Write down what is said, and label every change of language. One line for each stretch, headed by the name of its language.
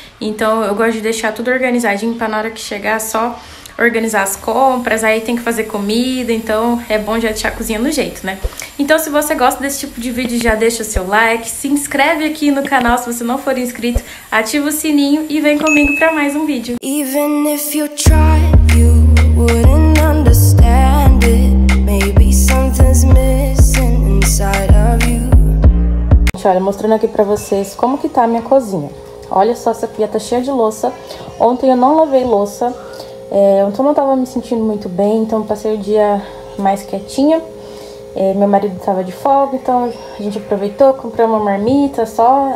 Portuguese: Então, eu gosto de deixar tudo organizadinho pra na hora que chegar só organizar as compras, aí tem que fazer comida, então é bom já deixar a cozinha no jeito, né? Então, se você gosta desse tipo de vídeo, já deixa o seu like, se inscreve aqui no canal se você não for inscrito, ativa o sininho e vem comigo pra mais um vídeo.
English: Even if you tried, you wouldn't understand it. Maybe something's missing inside of you.
Portuguese: Olha, mostrando aqui pra vocês como que tá a minha cozinha. Olha só, essa pia tá cheia de louça. Ontem eu não lavei louça. Ontem eu não tava me sentindo muito bem, então passei o dia mais quietinha. Meu marido tava de folga, então a gente aproveitou, comprou uma marmita só.